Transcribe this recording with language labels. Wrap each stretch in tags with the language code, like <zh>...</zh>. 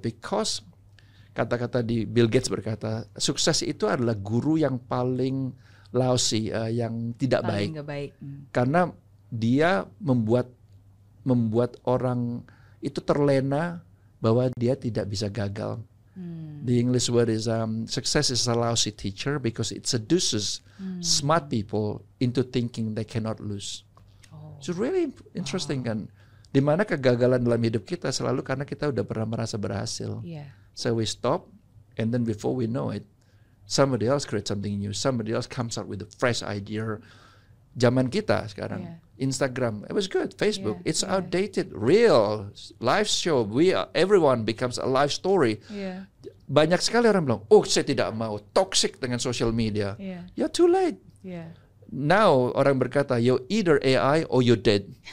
<id>Because kata-kata di Bill Gates berkata, sukses itu adalah guru yang paling lousy, yang tidak paling baik. Karena dia membuat orang itu terlena bahwa dia tidak bisa gagal.</id> <en>The English word is success is a lousy teacher because it seduces smart people into thinking they cannot lose. So really interesting kan?</en> <id>Di mana kegagalan dalam hidup kita selalu karena kita udah pernah merasa berhasil.</id> <en>Yeah. So we stop and then before we know it, somebody else creates something new. Somebody else comes out with a fresh idea.</en> <id>Zaman kita sekarang.</id> <en>Yeah. Instagram, it was good. Facebook, it's outdated. Real live show. Everyone becomes a live story. Yeah.</en> <id>Banyak sekali orang bilang, oh saya tidak mau toxic dengan social media.</id> <en>Yeah. You're too late. Yeah. Now</en> <id>orang berkata,</id> <en>you're either AI or you're dead.</en>